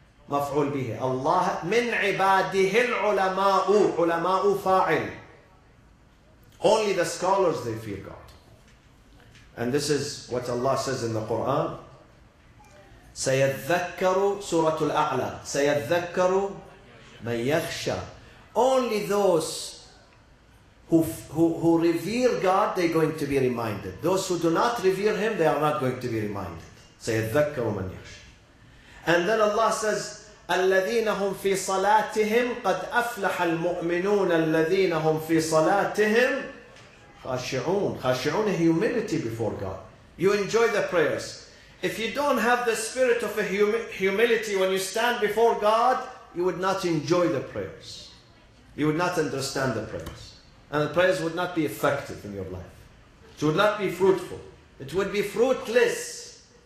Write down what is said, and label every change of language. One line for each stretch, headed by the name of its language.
Arabic: مفعول به الله من عباده العلماء علماء فاعل.
English: Only the scholars they fear God. And this is what Allah says in the Quran.
Arabic: سيذكر سورة الأعلى سيذكر من يخشى.
English: Only those who revere God, they're going to be reminded. Those who do not revere Him, they are not going to be reminded.
Arabic: سيذكر من يخشى.
English: And then Allah says,
Arabic: الذين هم في صلاتهم قد أفلح المؤمنون الذين هم في صلاتهم خاشعون.
English: خاشعون humility before God. You enjoy the prayers. If you don't have the spirit of humility when you stand before God, you would not enjoy the prayers. You would not understand the prayers. And the prayers would not be effective in your life. It would not be fruitful. It would be fruitless.